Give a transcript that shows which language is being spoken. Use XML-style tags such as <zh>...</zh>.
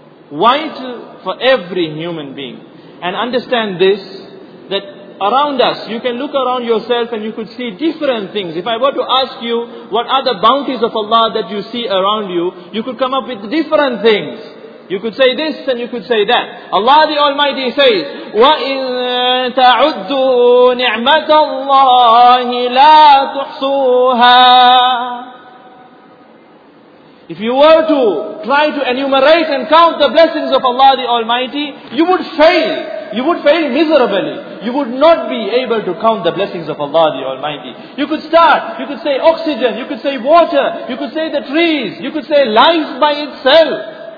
<en>Vital for every human being. And understand this, that around us, you can look around yourself and you could see different things. If I were to ask you, what are the bounties of Allah that you see around you, you could come up with different things. You could say this and you could say that. Allah the Almighty says,</en> <ar>وَإِن تَعُدُّوا نِعْمَةَ اللَّهِ لَا تُحْصُوهَا.</ar> <en>If you were to try to enumerate and count the blessings of Allah the Almighty, you would fail. You would fail miserably. You would not be able to count the blessings of Allah the Almighty. You could start, you could say oxygen, you could say water, you could say the trees, you could say life by itself.</en>